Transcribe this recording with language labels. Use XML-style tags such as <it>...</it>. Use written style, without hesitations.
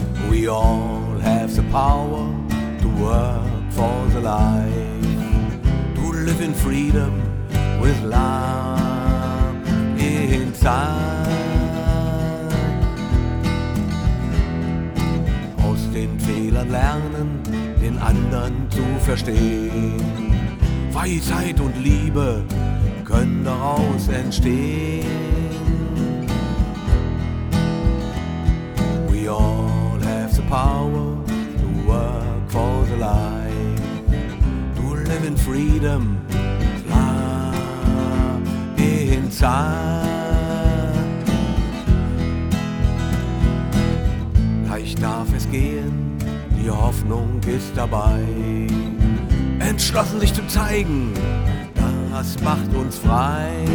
<en>We all have the power to work for the life, to live in freedom with love inside.</en> <de>Aus den Fehlern lernen, den anderen zu verstehen. Weisheit und Liebe können daraus entstehen.</de> <en>We all have the power to work for the life, to live in freedom, love inside.</en> <de>Leicht darf es gehen, die Hoffnung ist dabei, entschlossen sich zu zeigen, das macht uns frei.</de>